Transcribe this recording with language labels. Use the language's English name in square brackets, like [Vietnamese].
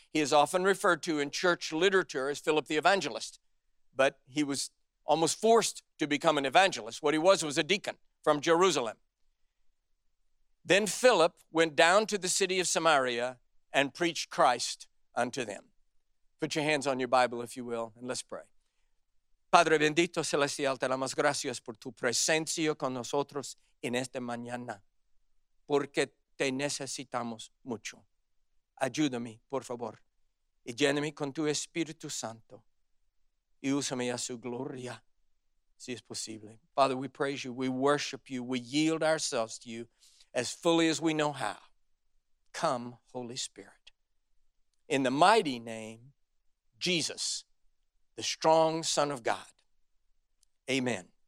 [English] He is often referred to in church literature as Philip the evangelist, but he was almost forced to become an evangelist. What he was a deacon from Jerusalem. Then Philip went down to the city of Samaria and preached Christ unto them. Put your hands on your Bible, if you will, and let's pray. [Spanish] Padre bendito celestial, te damos gracias por tu presencia con nosotros en esta mañana, porque te necesitamos mucho. Ayúdame, por favor, y lléname con tu Espíritu Santo, y úsame a su gloria, si es posible. [English] Father, we praise you, we worship you, we yield ourselves to you as fully as we know how. Come, Holy Spirit, in the mighty name Jesus, the strong Son of God. Amen.